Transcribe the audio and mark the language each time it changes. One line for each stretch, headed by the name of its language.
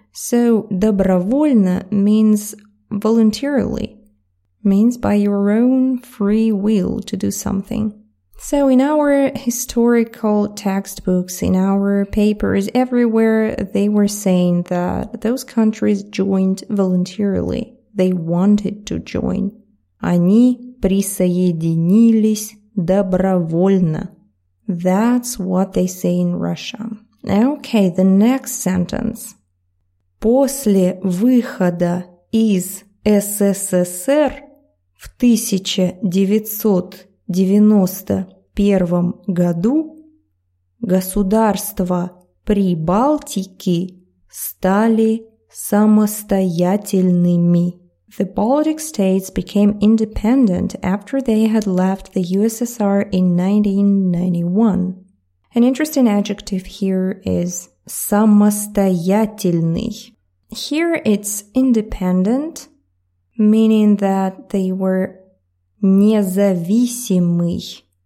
English: So добровольно means voluntarily, means by your own free will to do something. So in our historical textbooks, in our papers, everywhere, they were saying that those countries joined voluntarily. They wanted to join.
Russian: Они присоединились добровольно.
English: That's what they say in Russia. Okay, the next sentence.
Russian: После выхода из СССР в 1991 году государства Прибалтики стали самостоятельными.
English: The Baltic states became independent after they had left the USSR in 1991. An interesting adjective here is самостоятельный. Here it's independent, meaning that they were независимый.